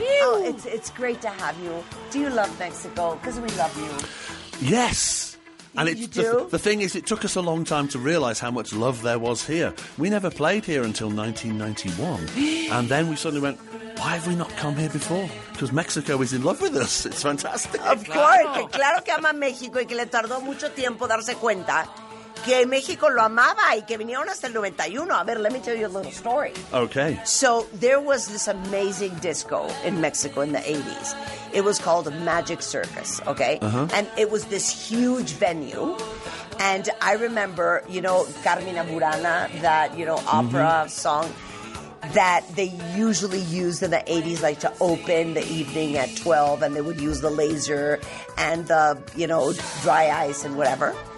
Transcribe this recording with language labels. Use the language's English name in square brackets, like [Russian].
[English] Oh, it's great to have you. Do you love Mexico? Because we love you. Yes. And it, the thing is, it took us a long time to realise how much love there was here. We never played here until 1991. And then we suddenly went, why have we not come here before? Because Mexico is in love with us. It's fantastic. Of course. [Spanish] Claro que ama México y que le tardó mucho tiempo darse cuenta que México lo amaba y que vinieron hasta el 91. A ver, [English] let me tell you a little story. Okay. So there was this amazing disco in Mexico in the 80s. It was called Magic Circus, okay? Uh-huh. And it was this huge venue. And I remember, you know, Carmina Burana, that, you know, opera song that they usually used in the 80s, like to open the evening at 12, and they would use the laser and the, you know, dry ice and whatever.